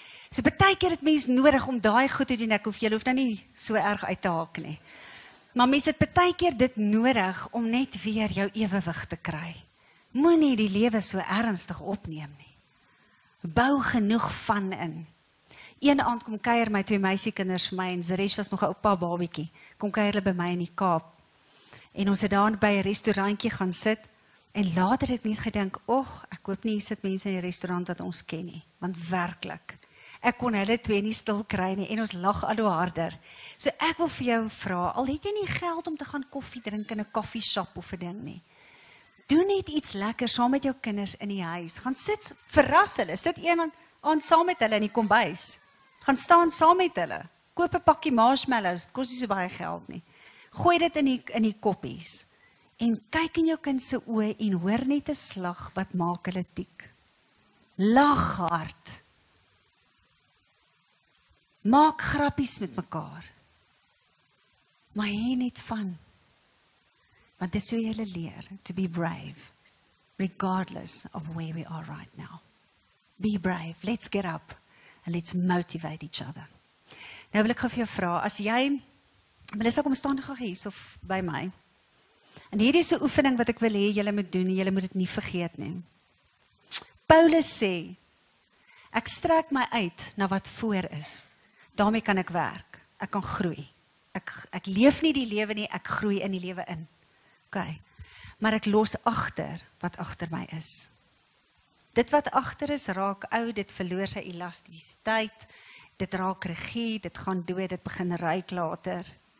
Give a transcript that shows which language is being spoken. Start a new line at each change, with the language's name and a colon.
Afrikaans: So partykeer het mens nodig om daai goed te doen, ek hoef julle hoef nou nie so erg uit te haak nie. Maar mens het partykeer dit nodig om net weer jou ewewig te kry. Moenie die lewe so ernstig opneem nie. Bou genoeg van in. Een aand kom kuier my twee meisiekinders vir my en Zeresh was nog 'n oupa babietjie. Kom kuier hulle by my in die Kaap. En ons het daar by 'n restaurantjie gaan sit. En later het ek net gedink, och, ek hoop nie hier sit mense in die restaurant wat ons ken nie. Want werklik, ek kon hulle twee nie stil kry nie en ons lag al hoe harder. So ek wil vir jou vra, al het jy nie geld om te gaan koffie drink in 'n koffie shop of 'n ding nie. Doe net iets lekker saam met jou kinders in die huis. Gaan sit, verras hulle, sit iemand aan saam met hulle in die kombuis. Gaan staan saam met hulle, koop 'n pakkie marshmallows, dit kos nie so baie geld nie. Gooi dit in die koppies. En kyk in jou kind se oë en hoor net 'n slag wat maak hulle tik. Lag hard. Maak grappies met mekaar. Maar hê net van. Want dis hoe jy leer
English: to be brave regardless of where we are right now. Be brave. Let's get up and let's motivate each other.
Afrikaans: Nou wil ek gou vir jou vra, as jy wil is ek om staan gou hier of by my? En hierdie is 'n oefening wat ek wil hê julle moet doen en julle moet dit nie vergeet nie. Paulus sê, ek strek my uit na wat voor is. Daarmee kan ek werk. Ek kan groei. Ek leef nie die lewe nie, ek groei in die lewe in. OK. Maar ek los agter wat agter my is. Dit wat agter is, raak ou, dit verloor sy elastisiteit. Dit raak regie, dit gaan dood, dit begin ruik later.